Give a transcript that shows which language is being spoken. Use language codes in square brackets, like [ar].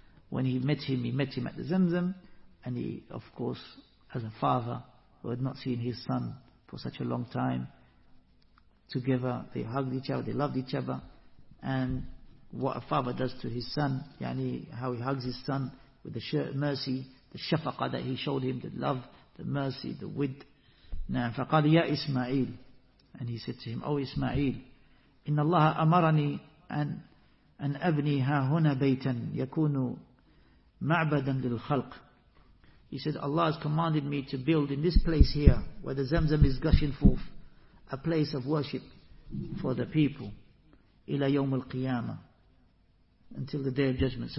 [en] when he met him at the Zamzam, and he, of course, as a father who had not seen his son for such a long time, together they hugged each other, they loved each other, and what a father does to his son, yani how he hugs his son with the mercy, the shafaqa that he showed him, the love, the mercy, the wit. [ar] Now, فَقَالَ يَا إِسْمَعِيلِ, [en] and he said to him, "Oh Ismail, [ar] إِنَّ اللَّهَ أَمَرَنِي أَنْ أَبْنِي هَا هُنَا بَيْتًا يَكُونُ مَعْبَدًا لِلْخَلْقِ." [en] He said, "Allah has commanded me to build in this place here, where the Zamzam is gushing forth, a place of worship for the people, [ar] إِلَى يَوْمِ الْقِيَامَةِ, [en] until the Day of Judgment.